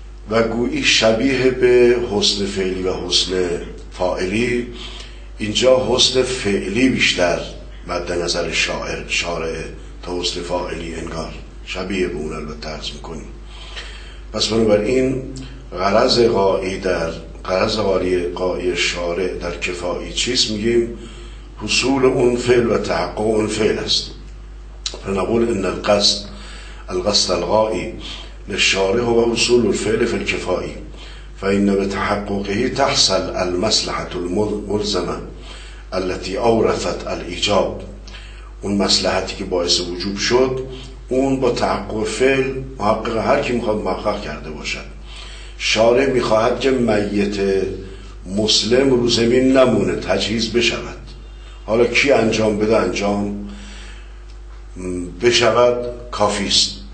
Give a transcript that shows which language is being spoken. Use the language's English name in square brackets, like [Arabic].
[Persian] و گویی شبیه به حسن فعلی و حسن فاعلی، اینجا حسن فعلی بیشتر مد نظر شاعر شارعه تا حسن فاعلی، انگار شبیه به اون البته ترجمه میکنیم. پس بنابراین غرض غایی در غرض غایی شارع در کفایی چیست؟ میگیم حصول اون فعل و تحقق اون فعل است. [Arabic] فنقول ان القصد القصد الغایی للشارع هو حصول الفعل فی الکفایی فإن بتحققه تحصل المصلحة الملزمة التي أورثت الإجاب. [Persian] اون مصلحتی که باعث وجوب شد اون با تحقق فعل محقق، هر کی میخواد محقق کرده باشد. شارع میخواهد که میت مسلم رو زمین نمونه، تجهیز بشود. حالا کی انجام بده انجام بشود کافیست.